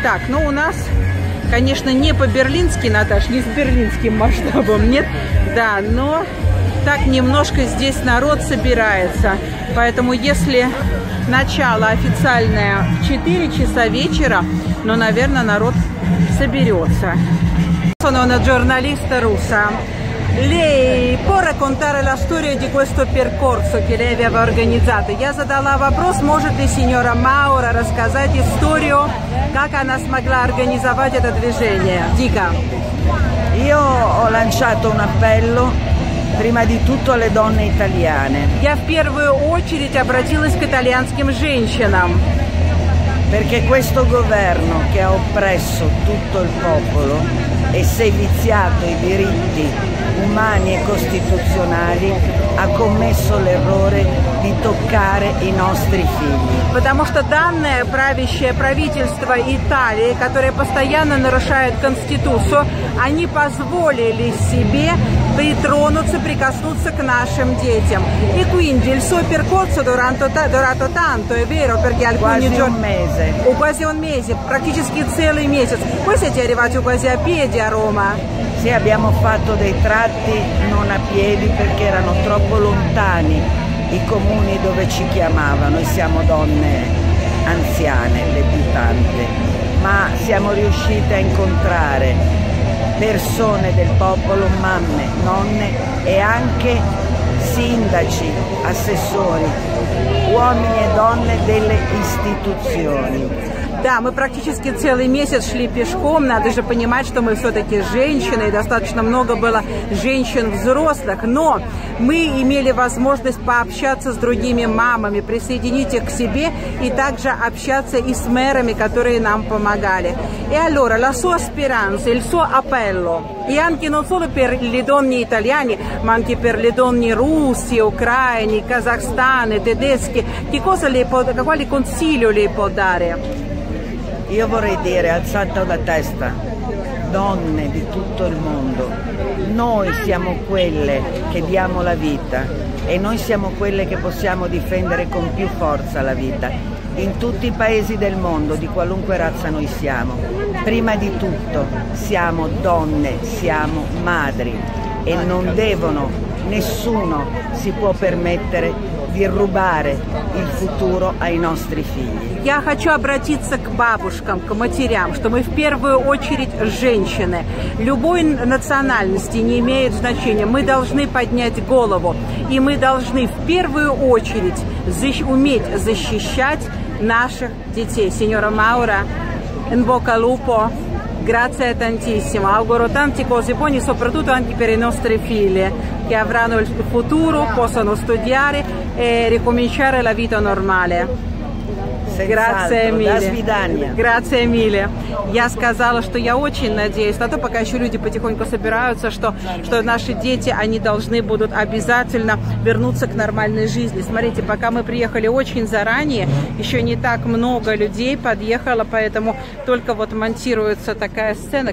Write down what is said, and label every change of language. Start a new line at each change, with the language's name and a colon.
Russian: Так, ну у нас, конечно, не по-берлински, Наташ, не с берлинским масштабом, нет? Да, но так немножко здесь народ собирается. Поэтому если начало официальное в 4 часа вечера, ну, наверное, народ соберется.
Italian: Sono giornalista russa. Lei può raccontare la storia di questo percorso che lei aveva organizzato?
Russian: Я задала вопрос, может ли signora Маура рассказать историю, как она смогла организовать это движение?
Italian: Dica. Io ho lanciato un appello prima di tutto alle donne italiane.
Russian: Я в первую очередь обратилась к итальянским женщинам.
Italian: Perché questo governo che ha oppresso tutto il popolo e seviziato i diritti umani e costituzionali ha commesso l'errore di toccare i nostri figli.
Russian: Потому что данное правящее правительство Италии, которое постоянно нарушает конституцию, они позволили себе притронуться, прикоснуться к нашим детям. И
Italian: quindi il suo percorso durato tanto, è vero, perché alcuni giorni. Quasi un mese,
Russian: практически целый месяц.
Italian: Voi siete arrivati quasi a piedi a Roma. Sì, abbiamo fatto dei tratti non a piedi perché erano troppo lontani i comuni dove ci chiamavano. Noi siamo donne anziane, debutante, ma siamo riuscite a incontrare persone del popolo, mamme, nonne e anche sindaci, assessori, uomini e donne delle istituzioni.
Russian: Да, мы практически целый месяц шли пешком. Надо же понимать, что мы все-таки женщины, и достаточно много было женщин взрослых. Но мы имели возможность пообщаться с другими мамами, присоединить их к себе и также общаться и с мэрами, которые нам помогали. И
Italian: allora, la sua speranza, il suo appello, e anche non solo per le donne italiane, ma anche per le donne russe, ucraine, kazakhstane, tedesche, che cosa le può, quale consiglio le può dare? Io vorrei dire, alzata la testa, donne di tutto il mondo, noi siamo quelle che diamo la vita e noi siamo quelle che possiamo difendere con più forza la vita in tutti i paesi del mondo, di qualunque razza noi siamo. Prima di tutto siamo donne, siamo madri e non devono, nessuno si può permettere di rubare il futuro ai nostri figli.
Russian: Я хочу обратиться к бабушкам, к матерям, что мы в первую очередь женщины. Любой национальности не имеет значения. Мы должны поднять голову. И мы должны в первую очередь уметь защищать наших детей.
Italian: Сеньора Маура, in bocca al lupo, grazie tantissimo. Auguro tanti cose buone, soprattutto anche per i nostri figli, che avranno il futuro, possono studiare e ricominciare la vita normale. Grazie mille. Grazie mille.
Russian: Я сказала, что я очень надеюсь, а то пока еще люди потихоньку собираются, что наши дети, они должны будут обязательно вернуться к нормальной жизни. Смотрите, пока мы приехали очень заранее, еще не так много людей подъехало, поэтому только вот монтируется такая сцена.